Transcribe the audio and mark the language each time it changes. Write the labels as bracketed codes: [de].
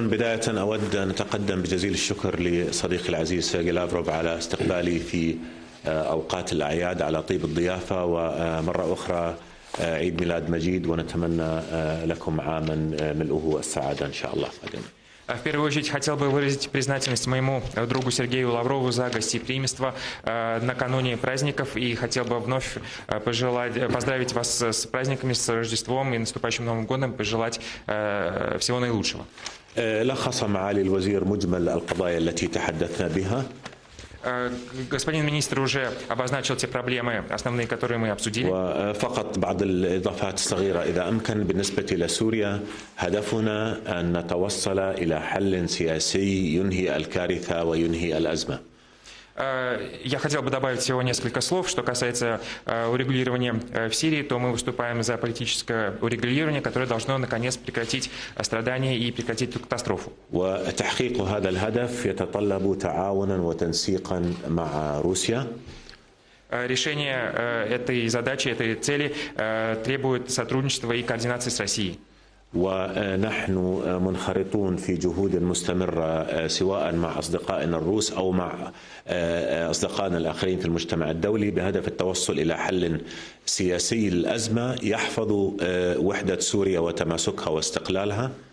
[ar] بداية أود أن أتقدم بجزيل الشكر لصديقي العزيز سيرجي لافروف على استقبالي في أوقات الأعياد على طيب الضيافة، ومرة أخرى عيد ميلاد مجيد، ونتمنى لكم عاما ملؤه السعادة إن شاء الله. [ru] В первую очередь хотел бы выразить признательность моему другу Сергею Лаврову за гостеприимство накануне праздников и хотел бы вновь поздравить вас с праздниками, с Рождеством и наступающим Новым годом, пожелать всего наилучшего. [ar] لخص معالي الوزير مجمل القضايا التي تحدثنا بها. [ru] Господин министр уже обозначил те проблемы, основные, которые мы обсудили. [ar] فقط بعض الإضافات الصغيرة إذا أمكن بالنسبة إلى سوريا. هدفنا أن نتوصل إلى حل سياسي ينهي الكارثة وينهي الأزمة. [ru] Я хотел бы добавить всего несколько слов, что касается урегулирования в Сирии, то мы выступаем за политическое урегулирование, которое должно наконец прекратить страдания и прекратить катастрофу. [ar] وتحقيق هذا الهدف يتطلب تعاونا وتنسيقا مع روسيا. [ru] Решение этой задачи, этой цели требует сотрудничества и координации с Россией. [ar] ونحن منخرطون في جهود مستمرة سواء مع أصدقائنا الروس أو مع أصدقائنا الآخرين في المجتمع الدولي بهدف التوصل إلى حل سياسي للأزمة يحفظ وحدة سوريا وتماسكها واستقلالها.